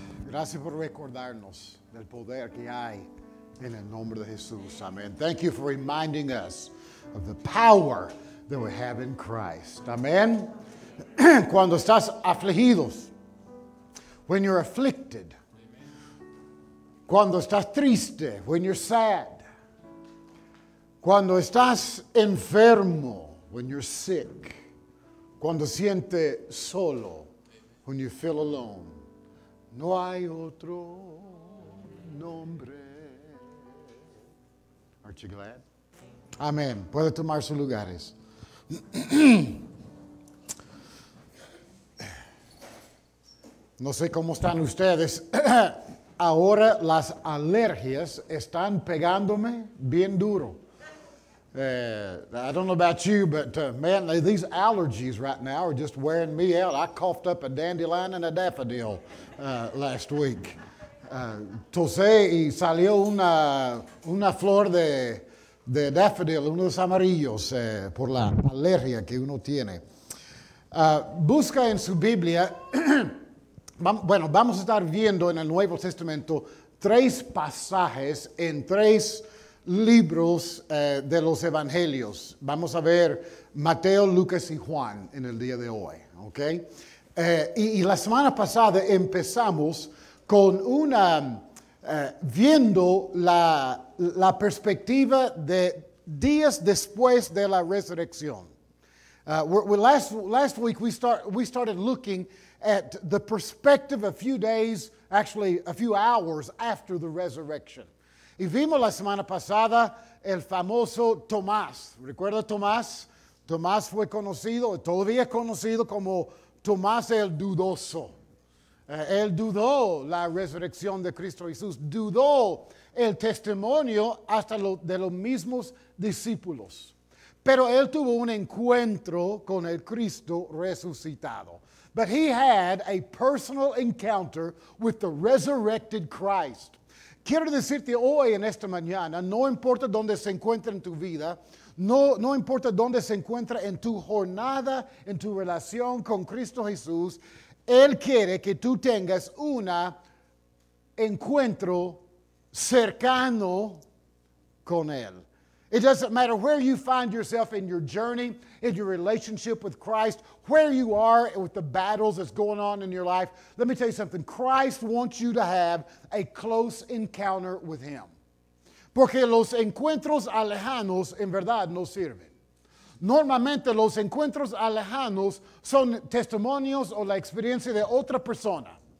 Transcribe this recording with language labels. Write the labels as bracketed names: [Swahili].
[Spanish] Gracias por recordarnos del poder que hay en el nombre de Jesús. Amen. [English] Thank you for reminding us of the power that we have in Christ. [Spanish] Amen. Cuando estás afligidos, [English] when you're afflicted, [Spanish] cuando estás triste, [English] when you're sad, [Spanish] cuando estás enfermo, [English] when you're sick, [Spanish] cuando sientes solo, [English] when you feel alone, [Spanish] no hay otro nombre. [English] Aren't you glad? [Spanish] Amén. Puede tomar sus lugares. No sé cómo están ustedes. Ahora las alergias están pegándome bien duro. [English] I don't know about you, but man, these allergies right now are just wearing me out. I coughed up a dandelion and a daffodil last week. [Spanish] Tosé y salió una flor de daffodil, uno de los amarillos, por la alergia que uno tiene. Busca en su Biblia, vamos a estar viendo en el Nuevo Testamento tres pasajes en tres libros de los evangelios. Vamos a ver Mateo, Lucas y Juan en el día de hoy, ¿ok? Y la semana pasada empezamos con una, viendo la perspectiva de días después de la resurrección. [English] Last week we started looking at the perspective a few days, actually a few hours after the resurrection. [Spanish] Y vimos la semana pasada el famoso Tomás. ¿Recuerda Tomás? Tomás fue conocido, todavía es conocido como Tomás el Dudoso. Él dudó la resurrección de Cristo Jesús. Dudó el testimonio hasta de los mismos discípulos. Pero él tuvo un encuentro con el Cristo resucitado. [English] But he had a personal encounter with the resurrected Christ. [Spanish] Quiero decirte hoy en esta mañana, no importa dónde se encuentre en tu vida, No importa dónde se encuentra en tu jornada, en tu relación con Cristo Jesús, Él quiere que tú tengas un encuentro cercano con Él. [English] It doesn't matter where you find yourself in your journey, in your relationship with Christ, where you are with the battles that's going on in your life. Let me tell you something. Christ wants you to have a close encounter with Him. [Spanish] Porque los encuentros alejanos en verdad no sirven. Normalmente los encuentros alejanos son testimonios o la experiencia de otra persona.